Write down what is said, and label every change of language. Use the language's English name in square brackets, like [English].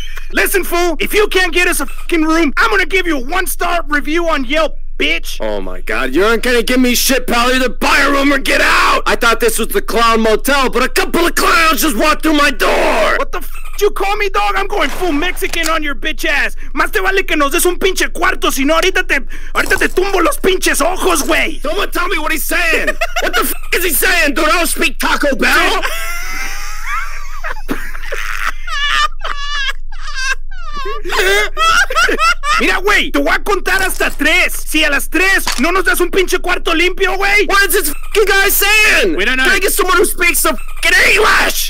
[English] Listen, fool, if you can't get us a f***ing room, I'm gonna give you a one-star review on Yelp, bitch! Oh my god, you aren't gonna give me shit, pal. Either buy a room or get out! I thought this was the clown motel, but a couple of clowns just walked through my door! What the f***? You call me dog? I'm going full Mexican on your bitch ass. [Spanish] Más te vale que nos des un pinche cuarto, sino ahorita te tumbo los pinches ojos, güey. [English] Someone tell me what he's saying. What the fuck is he saying? Dude, I don't speak Taco Bell. [Spanish] Mira, güey, te voy a contar hasta tres. Si a las tres no nos das un pinche cuarto limpio, güey. [English] What is this fucking guy saying? We don't know. Can I get someone who speaks some fucking English?